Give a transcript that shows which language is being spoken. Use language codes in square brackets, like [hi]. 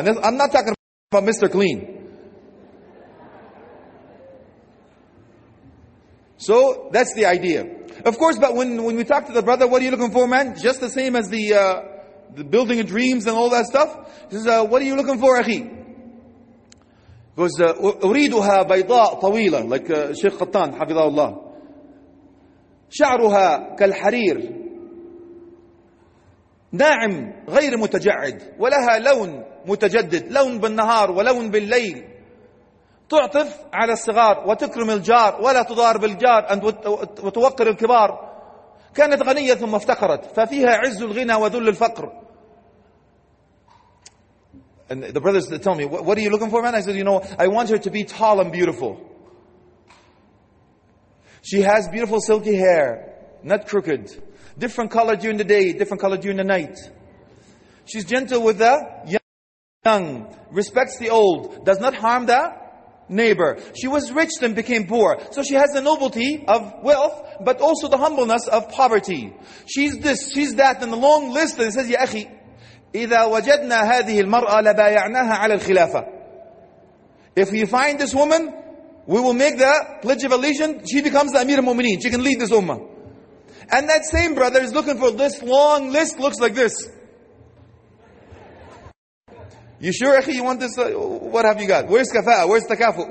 [en] And I'm not talking about Mr. Clean. So, that's the idea. Of course, but when we talk to the brother, what are you looking for, man? Just the same as the building of dreams and all that stuff. He says, what are you looking for, akhi? Because [ar] أريدها بيضاء طويلة, [en] like Sheikh Qattan, حفظه الله. [ar] شعرها كالحرير ناعم غير متجعد ولها لون متجدد لون بالنهار ولون بالليل تعطف على الصغار وتكرم الجار ولا تضار بالجار وتوقر الكبار كانت غنية ثم افتقرت ففيها عز الغنى وذل الفقر. [en] And the brothers tell me, what are you looking for, man? I said, you know, I want her to be tall and beautiful. She has beautiful silky hair, not crooked. Different color during the day, different color during the night. She's gentle with the young, respects the old, does not harm the neighbor. She was rich and became poor. So she has the nobility of wealth, but also the humbleness of poverty. She's this, she's that, and the long list. And it says, ya akhi, [ar] إِذَا وَجَدْنَا هَذِهِ الْمَرْأَةَ لَبَايَعْنَاهَا عَلَى الْخِلَافَةِ. [en] If we find this woman, we will make the pledge of allegiance. She becomes the Amir al-Mu'mineen. She can lead this ummah. And that same brother is looking for this long list. Looks like this. You sure, akhi, you want this? What have you got? Where's kafa'a? Where's takafu?